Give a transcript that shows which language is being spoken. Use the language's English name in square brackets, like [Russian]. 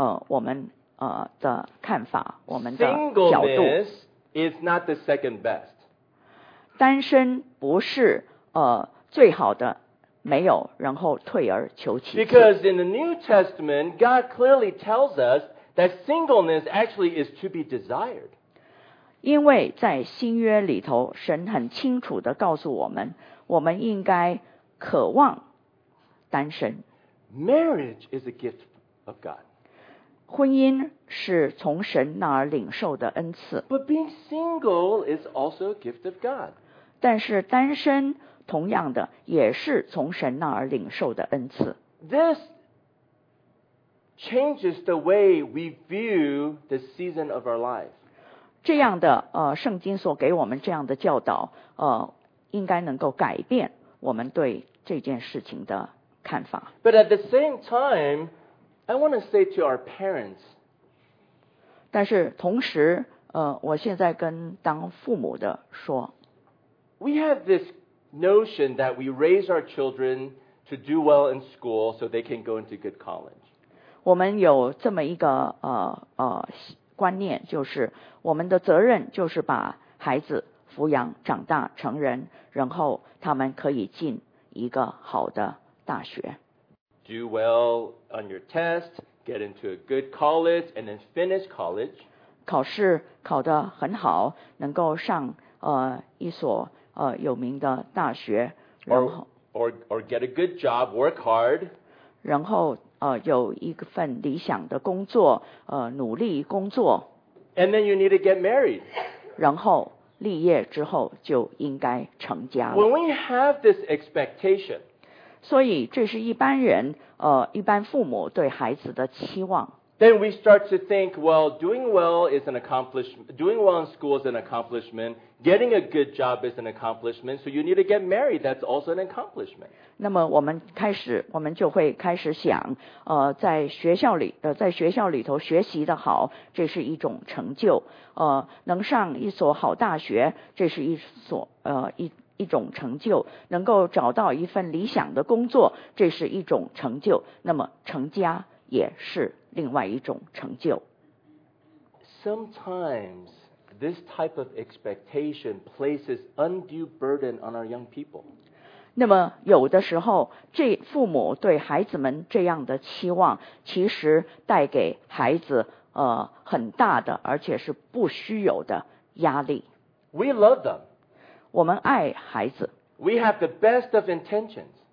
[Chinese] 我们的看法，我们的角度。 [English] Singleness is not the second best. [Chinese] 单身不是最好的，没有，然后退而求其次。 [English] Because in the New Testament, God clearly tells us that singleness actually is to be desired. [Chinese] 因为在新约里头，神很清楚地告诉我们，我们应该渴望单身。 [English] Marriage is a gift of God. [Chinese] 婚姻是从神那儿领受的恩赐。 [English] But being single is also a gift of God. [Chinese] 但是单身同样的也是从神那儿领受的恩赐。 [English] This changes the way we view the season of our life. [Chinese] 这样的圣经所给我们这样的教导应该能够改变我们对这件事情的看法。 [English] But at the same time,I want to say to our parents. [Chinese] 但是同时，我现在跟当父母的说。 [English] We have this notion that we raise our children to do well in school so they can go into good college. [Chinese] 我们有这么一个观念，就是我们的责任就是把孩子抚养长大成人，然后他们可以进一个好的大学。 [English] Do well on your test, get into a good college, and then finish college. [Chinese] 考试考得很好，能够上一所有名的大学，然后 [English] or get a good job, work hard. [Chinese] 然后有一份理想的工作，努力工作。 [English] And then you need to get married. [Chinese] 然后立业之后就应该成家了。 [English] When we have this expectation, [Chinese] 所以这是一般人一般父母对孩子的期望。 [English] Then we start to think, well, doing well in school is an accomplishment. Getting a good job is an accomplishment. So you need to get married. That's also an accomplishment. [Chinese] 那么我们就会开始想，在学校里头学习的好，这是一种成就。能上一所好大学，这是一种成就。能够找到一份理想的工作，这是一种成就。那么成家也是另外一种成就。 [English] Sometimes this type of expectation places undue burden on our young people. [Chinese] 那么有的时候，这父母对孩子们这样的期望，其实带给孩子很大的，而且是不虚有的压力。 [English] We love them. [Chinese] 我们爱孩子。 [English] We have the best of intentions.